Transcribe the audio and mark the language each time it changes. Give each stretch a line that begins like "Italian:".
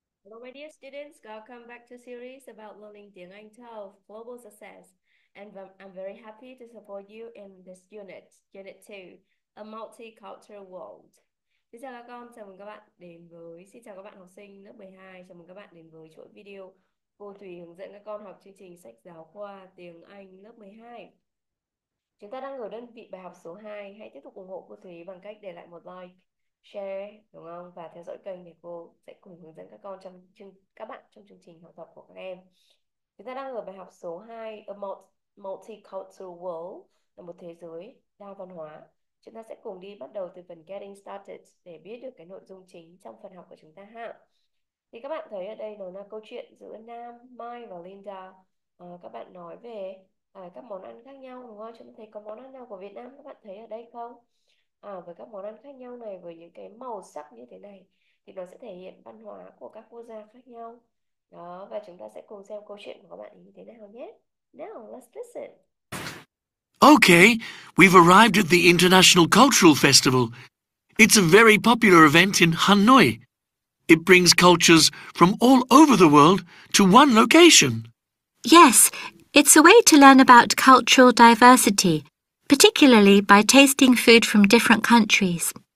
English: Already, students got come back to series about learning tiếng Anh TOEFL Global Success, and I'm very happy to support you in this unit 2, A Multicultural World.
Vietnamese: Xin chào các con, chào mừng các bạn đến với xin chào các bạn học sinh lớp 12, chào mừng các bạn đến với chuỗi video cô Thủy hướng dẫn các con học chương trình sách giáo khoa tiếng Anh lớp 12. Chúng ta đang ở đơn vị bài học số 2, hãy tiếp tục ủng hộ cô Thủy bằng cách để lại một like, share đúng không, và theo dõi kênh để cô sẽ cùng hướng dẫn các con trong các bạn trong chương trình học tập của các em. Chúng ta đang ở bài học số 2, A Multicultural World, là một thế giới đa văn hóa. Chúng ta sẽ cùng đi bắt đầu từ phần Getting Started để biết được cái nội dung chính trong phần học của chúng ta ha. Thì các bạn thấy ở đây nó là câu chuyện giữa Nam, Mai và Linda. Các bạn nói về các món ăn khác nhau đúng không? Chúng ta thấy có món ăn nào của Việt Nam các bạn thấy ở đây không? Với các món ăn khác nhau này, với những cái màu sắc như thế này thì nó sẽ thể hiện văn hóa của các quốc gia khác nhau. Đó, và chúng ta sẽ cùng xem câu chuyện của các bạn ấy như thế nào nhé.
English: Now, let's listen. Okay, we've arrived at the International Cultural Festival. It's a very popular event in Hanoi. It brings cultures from all over the world to one location. Yes, it's a way to learn about cultural diversity, particularly by tasting food from different countries.